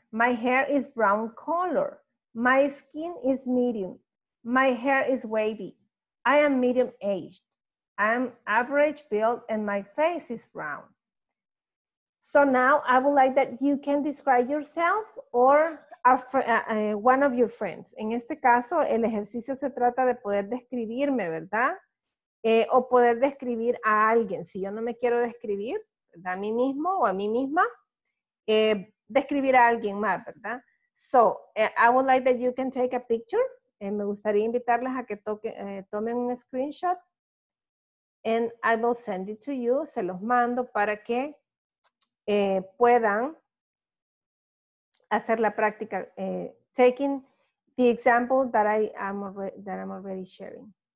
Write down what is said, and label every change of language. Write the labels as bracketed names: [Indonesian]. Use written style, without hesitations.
[English] My hair is brown color. My skin is medium. My hair is wavy. I am medium aged. I am average build and my face is brown. So now I would like that you can describe yourself or one of your friends. [Spanish] En este caso, el ejercicio se trata de poder describirme, ¿verdad? O poder describir a alguien. Si yo no me quiero describir, ¿verdad? A mí mismo o a mí misma, describir a alguien más, ¿verdad? [English] So, I would like that you can take a picture. [Spanish] Me gustaría invitarles a que tomen un screenshot. [English] And I will send it to you. [Spanish] Se los mando para que puedan hacer la práctica, [English] taking the example that I'm already sharing.